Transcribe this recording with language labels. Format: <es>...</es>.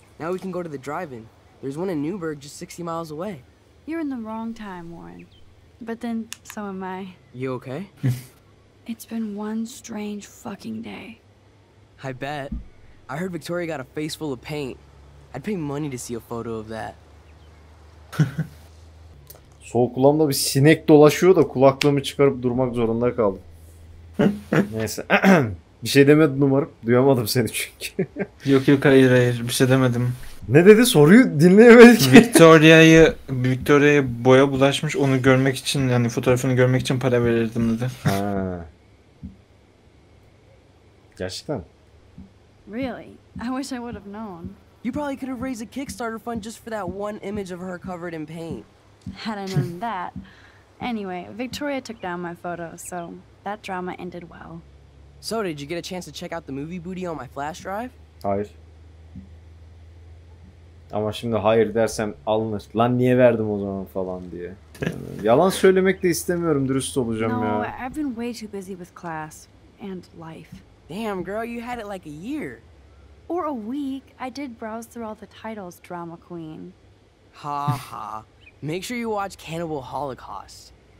<en>Now we can go to the drive-in. There's one in Newburgh just 60 miles away. You're in the wrong time, Warren. But then, so am I. You okay? It's been one strange fucking day. I bet. I heard Victoria got a face full of paint. I'd pay money to see a photo of that.</en> <tr>Sol kulağımda bir sinek dolaşıyor da kulaklığımı çıkarıp durmak zorunda kaldım. Neyse. Bir şey demedin umarım. Duyamadım seni çünkü. Yok yok hayır hayır bir şey demedim. Ne dedi soruyu dinleyemedik. Victoria'ya boya bulaşmış onu görmek için yani fotoğrafını görmek için para verirdim dedi. Ha. Gerçekten.</tr> <en>Really? I wish I would have known. You probably could have raised a Kickstarter fund just for that one image of her covered in paint. Had I known that. Anyway, Victoria took down my photo, so that drama ended well. So, did you get a chance to check out the movie booty on my flash drive?</en> <tr>Hayır. Ama şimdi hayır dersem alınır. Lan niye verdim o zaman falan diye. Yalan söylemek de istemiyorum, dürüst olacağım ya.</tr> <en>No, I've been way too busy with class and life. Damn girl, you had it like a year. Or a week. I did browse through all the titles, drama queen. Ha ha. Make sure you watch Cannibal Holocaust.</en>